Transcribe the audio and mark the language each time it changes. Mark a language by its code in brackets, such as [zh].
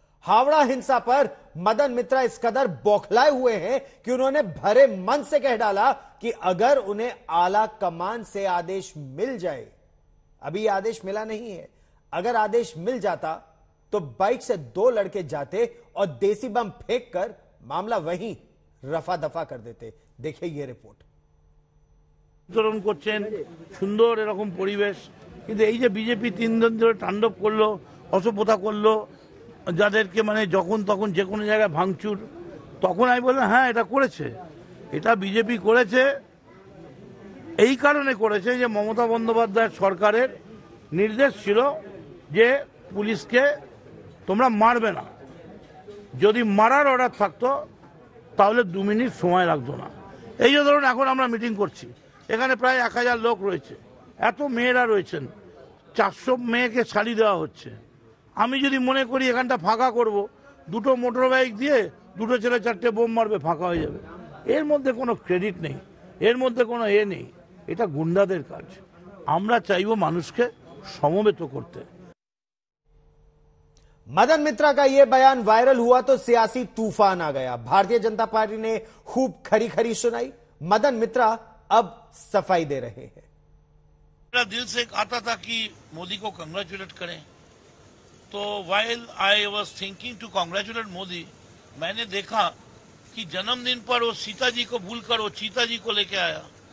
[hi] हावड़ा हिंसा पर मदन मित्रा इस कदर बौखलाए हुए हैं कि उन्होंने भरे मन से कह डाला कि अगर उन्हें आला कमान से आदेश मिल जाए, अभी आदेश मिला नहीं है, अगर आदेश मिल जाता तो बाइक से दो लड़के जाते और देसी बम फेंक कर मामला वहीं रफा दफा कर देते। देखिए ये रिपोर्ट। [bn] उत्तरण করছেন সুন্দর এরকম পরিবেশ, কিন্তু এই যে বিজেপি তিন দিন ধরে তাণ্ডব করলো, অসভ্যতা করলো, যাদেরকে মানে যখন তখন যে কোনো জায়গায় ভাঙচুর, তখন আমি বললাম হ্যাঁ এটা করেছে, এটা বিজেপি করেছে, এই কারণে করেছে যে মমতা বন্দ্যোপাধ্যায় সরকারের নির্দেশ ছিল যে পুলিশকে তোমরা মারবে না, যদি মারার অর্ডার থাকতো তাহলে দু মিনিট সময় লাগতো না। এই যে ধরুন এখন আমরা মিটিং করছি, এখানে প্রায় 1000 লোক রয়েছে, এত মেয়েরা রয়েছেন, 400 মেয়েকে শাড়ি দেওয়া হচ্ছে। আমি যদি মনে করি এখানটা ফাঁকা করব, দুটো মোটর বাইক দিয়ে দুটো ছেলে চারটে বোম মারবে, ফাঁকা হয়ে যাবে। এর মধ্যে কোনো ক্রেডিট নেই, এর মধ্যে কোনো এ নেই, এটা গুন্ডাদের কাজ। আমরা চাইবো মানুষকে সমবেত করতে। [hi] मदन मित्रा का यह बयान वायरल हुआ तो सियासी तूफान आ गया। भारतीय जनता पार्टी ने खूब खरी खरी सुनाई। मदन मित्रा अब सफाई दे रहे हैं। मेरा दिल से आता था कि मोदी को कंग्रेचुलेट करें, तो [en] while I was thinking to congratulate Modi, [hi] मैंने देखा कि जन्मदिन पर वो सीता जी को भूलकर वो चीता जी को लेकर आया।